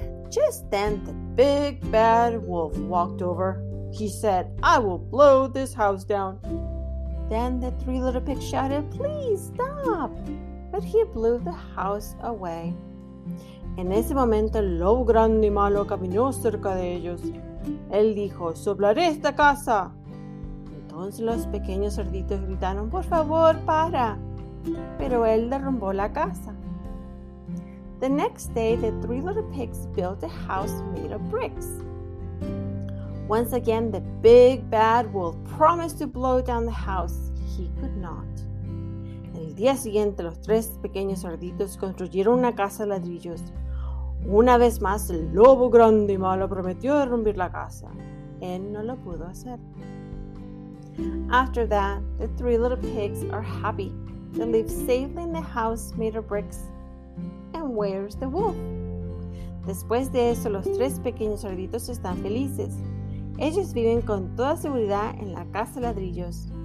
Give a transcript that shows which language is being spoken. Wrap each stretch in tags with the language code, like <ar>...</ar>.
<en>Just then, the big bad wolf walked over. He said, I will blow this house down. Then the three little pigs shouted, please stop. But he blew the house away.</en> <es>En ese momento, el lobo grande y malo caminó cerca de ellos. Él dijo, soplaré esta casa. Entonces los pequeños cerditos gritaron, por favor, para. Pero él derrumbó la casa.</es> <en>The next day, the three little pigs built a house made of bricks. Once again, the big bad wolf promised to blow down the house. He could not.</en> <es>El día siguiente, los tres pequeños cerditos construyeron una casa de ladrillos. Una vez más, el lobo grande y malo prometió derrumbar la casa. Él no lo pudo hacer.</es> <en>After that, the three little pigs are happy. They live safely in the house made of bricks. And where's the wolf?</en> <es>Después de eso, los tres pequeños cerditos están felices. Ellos viven con toda seguridad en la casa de ladrillos.</es>